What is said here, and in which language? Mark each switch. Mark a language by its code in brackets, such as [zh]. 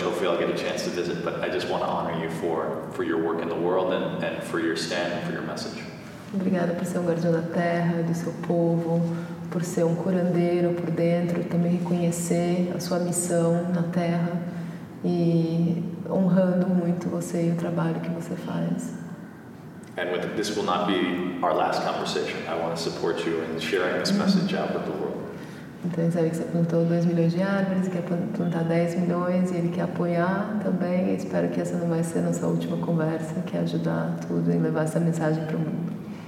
[en] Hopefully I'll get a chance to visit, but I just want to honor you for your work in the world and for your stand and for your message. [pt] Obrigada por ser um guardião da terra, do seu povo, por ser um curandeiro por dentro, também reconhecer a sua missão na terra e honrando muito você e o trabalho que você faz. [en] And with this will not be our last conversation. I want to support you in sharing this message out with the world. [pt] Então ele sabe que você plantou 2 milhões de árvores, quer plantar 10 milhões e ele quer apoiar também. Espero que essa não vai ser nossa última conversa, quer ajudar tudo em levar essa mensagem para o mundo.